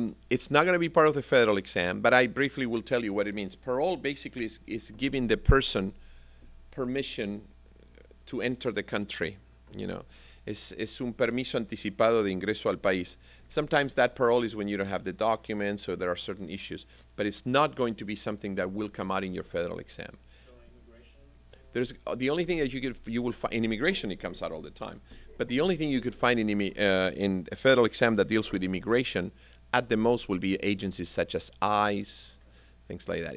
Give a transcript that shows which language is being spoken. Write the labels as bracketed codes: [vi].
[en] It's not going to be part of the federal exam, but I briefly will tell you what it means. Parole basically is giving the person permission to enter the country, you know. [es] Es un permiso anticipado de ingreso al país. [en] Sometimes that parole is when you don't have the documents or there are certain issues, but it's not going to be something that will come out in your federal exam. The only thing that you will find in immigration, it comes out all the time. But the only thing you could find in a federal exam that deals with immigration, at the most, will be agencies such as ICE, things like that.